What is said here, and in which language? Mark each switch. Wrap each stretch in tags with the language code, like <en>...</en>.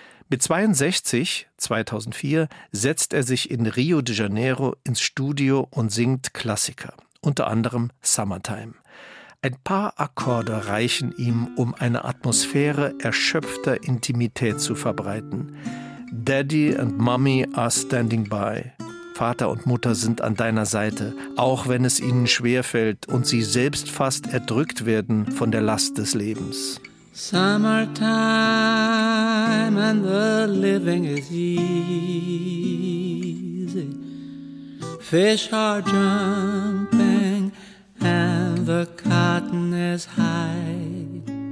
<de>Mit 62, 2004, setzt er sich in Rio de Janeiro ins Studio und singt Klassiker. Unter anderem Summertime. Ein paar Akkorde reichen ihm, um eine Atmosphäre erschöpfter Intimität zu verbreiten.</de> <en>Daddy and Mommy are standing by.</en> <de>Vater und Mutter sind an deiner Seite, auch wenn es ihnen schwerfällt und sie selbst fast erdrückt werden von der Last des Lebens.</de> <en>Summertime and the living is easy. Fish are jumping and the cotton is high.</en>